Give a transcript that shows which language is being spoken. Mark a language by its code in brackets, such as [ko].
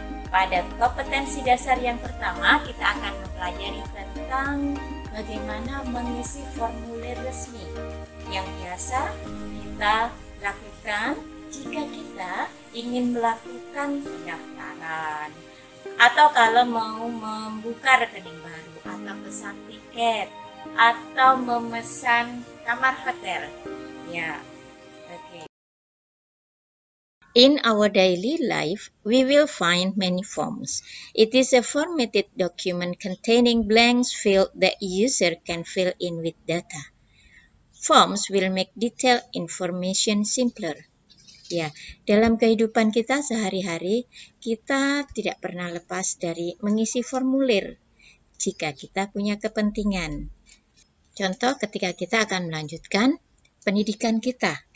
[id] Pada kompetensi dasar yang pertama kita akan mempelajari tentang bagaimana mengisi formulir resmi yang biasa kita lakukan jika kita ingin melakukan pendaftaran atau kalau mau membuka rekening baru atau pesan tiket atau memesan kamar hotel. Ya. [en] In our daily life, we will find many forms. It is a formatted document containing blanks filled that user can fill in with data. Forms will make detailed information simpler. [id] Ya, dalam kehidupan kita sehari-hari, kita tidak pernah lepas dari mengisi formulir jika kita punya kepentingan. Contoh, ketika kita akan melanjutkan pendidikan kita.